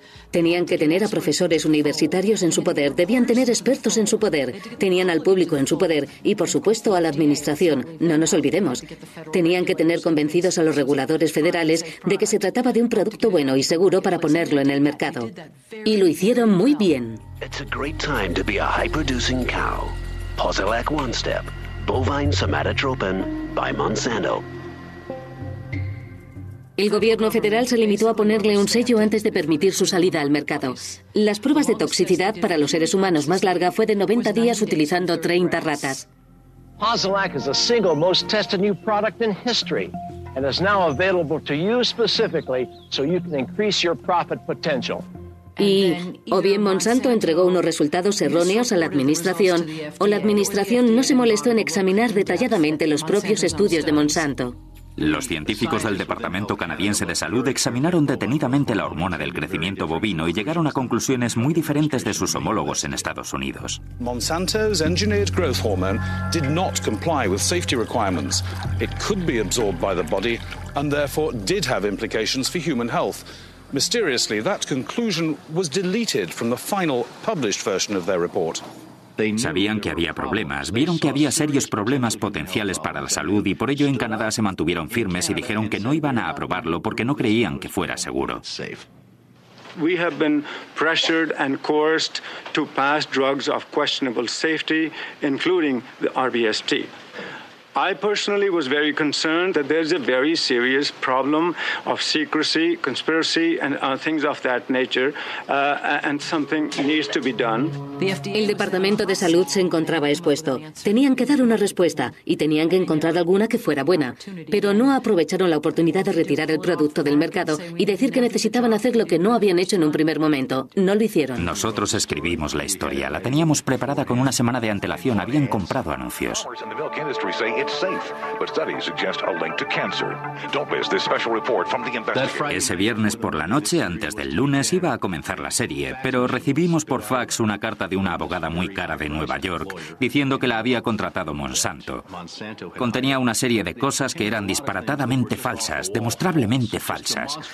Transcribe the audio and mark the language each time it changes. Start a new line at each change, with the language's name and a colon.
Spanish: Tenían que tener a profesores universitarios en su poder, debían tener expertos en su poder, tenían al público en su poder y, por supuesto, a la administración. No nos olvidemos. Tenían que tener convencidos a los reguladores federales de que se trataba de un producto bueno y seguro para ponerlo en el mercado. Y lo hicieron muy bien.
English: It's a great time to be a high-producing cow. Posilac One Step, Bovine Somatotropin by Monsanto.
Spanish: El gobierno federal se limitó a ponerle un sello antes de permitir su salida al mercado. Las pruebas de toxicidad para los seres humanos más larga fue de 90 días utilizando 30 ratas.
English: Posilac is the single most tested new product in history and is now available to you specifically so you can increase your profit potential.
Spanish: Y o bien Monsanto entregó unos resultados erróneos a la administración, o la administración no se molestó en examinar detalladamente los propios estudios de Monsanto. Los científicos del Departamento Canadiense de Salud examinaron detenidamente la hormona del crecimiento bovino y llegaron a conclusiones muy diferentes de sus homólogos en Estados Unidos.
English: Monsanto's engineered growth hormone did not comply with safety requirements. It could be absorbed by the body and therefore did have implications for human health. Mysteriously, that conclusion was deleted from the final published version of their report.
Spanish: Sabían que había problemas, vieron que había serios problemas potenciales para la salud y por ello en Canadá se mantuvieron firmes y dijeron que no iban a aprobarlo porque no creían que fuera seguro.
English: We have been pressured and coerced to pass drugs of questionable safety, including the RBST. I personally was very concerned that there's a very serious problem of secrecy, conspiracy, and things of that nature, and something needs to be done.
Spanish: El Departamento de Salud se encontraba expuesto. Tenían que dar una respuesta y tenían que encontrar alguna que fuera buena. Pero no aprovecharon la oportunidad de retirar el producto del mercado y decir que necesitaban hacer lo que no habían hecho en un primer momento. No lo hicieron. Nosotros escribimos la historia. La teníamos preparada con una semana de antelación. Habían comprado anuncios.
English: It's safe, but studies suggest a link to cancer. Don't miss this special report from the investigators.
Spanish: Ese viernes por la noche, antes del lunes, iba a comenzar la serie, pero recibimos por fax una carta de una abogada muy cara de Nueva York diciendo que la había contratado Monsanto. Contenía una serie de cosas que eran disparatadamente falsas, demostrablemente falsas.